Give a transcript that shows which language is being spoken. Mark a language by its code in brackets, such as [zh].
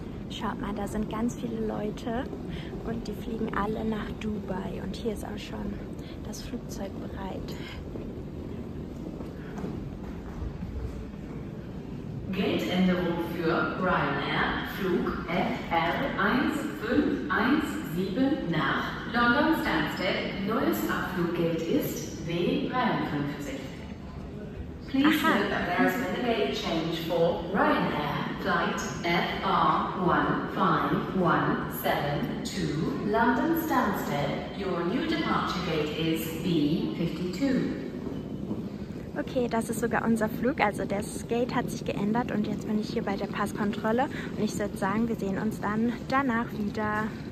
[de] Schaut mal, da sind ganz viele Leute und die fliegen alle nach Dubai und hier ist auch schon das Flugzeug bereit. Gateänderung für Ryanair Flug FL1517 nach London Stansted. Neues Abfluggate ist W53. [en] Please note that there has been a gate change for Ryanair flight FR1517 to London Stansted. Your new departure gate is B52. [de] Okay, das ist sogar unser Flug. Also das Gate hat sich geändert und jetzt bin ich hier bei der Passkontrolle. Und ich würde sagen, wir sehen uns dann danach wieder.